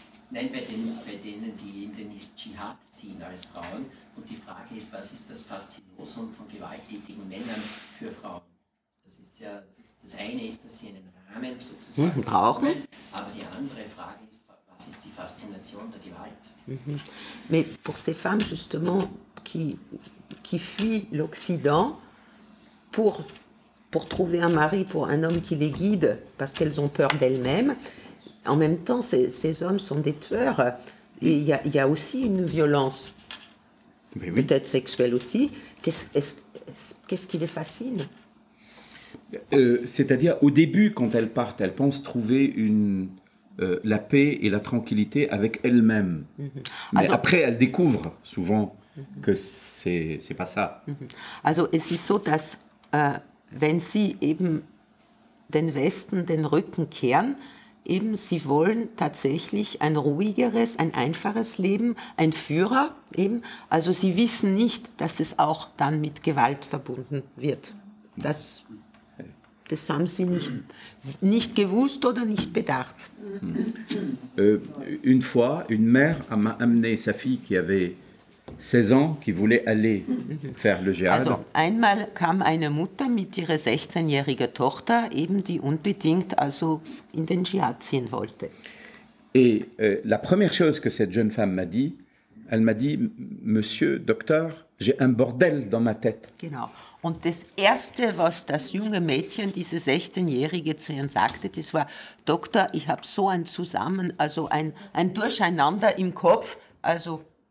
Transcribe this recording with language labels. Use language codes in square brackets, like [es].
[de] Nein, bei denen, die in den Dschihad ziehen als Frauen. Und die Frage ist, was ist das Faszinosum von gewalttätigen Männern für Frauen? Das ist ja, das eine ist, dass sie einen Rahmen sozusagen brauchen. Aber die andere Frage ist, was ist die Faszination der Gewalt? [fr] Mais pour ces femmes justement qui fuient l'Occident pour trouver un mari, pour un homme qui les guide, parce qu'elles ont peur d'elles-mêmes. En même temps, ces hommes sont des tueurs. Et il y a aussi une violence, mais oui, peut-être sexuelle aussi. Qu'est-ce qui les fascine? C'est-à-dire, au début, quand elles partent, elles pensent trouver la paix et la tranquillité avec elles-mêmes. Mm-hmm. Mais après, elles découvrent souvent que c'est pas ça. Mm-hmm. [de] Also, es ist so, dass wenn sie eben den Westen den Rücken kehren, eben sie wollen tatsächlich ein ruhigeres, ein einfaches Leben, ein Führer eben. Also sie wissen nicht, dass es auch dann mit Gewalt verbunden wird. Das haben sie nicht gewusst oder nicht bedacht. [fr] Une fois, une mère a amené sa fille qui avait 16 ans, qui voulait aller faire le jihad. [de] Also, einmal kam eine Mutter mit ihrer 16-jährigen Tochter, eben die unbedingt also in den Jihad ziehen wollte. [fr] Et la première chose que cette jeune femme m'a dit, elle m'a dit, Monsieur, Docteur, j'ai un bordel dans ma tête. [de] Genau. Und das Erste, was das junge Mädchen, diese 16-Jährige, zu ihr sagte, das war, Doktor, ich habe so ein Zusammen, also ein Durcheinander im Kopf, also...